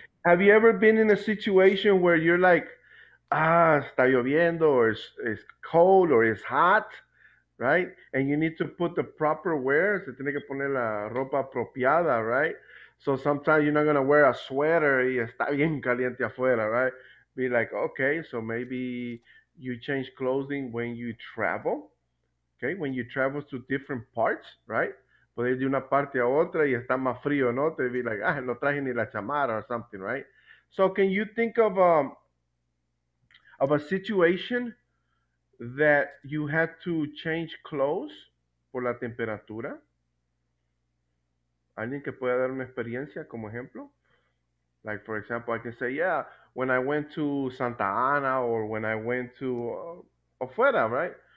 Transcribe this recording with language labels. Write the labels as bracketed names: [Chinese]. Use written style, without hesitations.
[English] Have you ever been in a situation where you're like, [Spanish] está lloviendo, [English] or it's cold, or it's hot, right? And you need to put the proper wear. [Spanish] Se tiene que poner la ropa apropiada, right? [English] So sometimes you're not going to wear a sweater [Spanish] y está bien caliente afuera, [English] right? Be like, okay, so maybe you change clothing when you travel. Okay. When you travel to different parts, right? [Spanish] Puede ir de una parte a otra y está más frío, ¿no? [English] Te be like, [Spanish] no traje ni la chamarra [English] or something, right? So can you think of a situation that you had to change clothes [Spanish] por la temperatura? ¿Alguien que pueda dar una experiencia como ejemplo? [English] Like, for example, I can say, yeah, when I went to Santa Ana or when I went to afuera, right?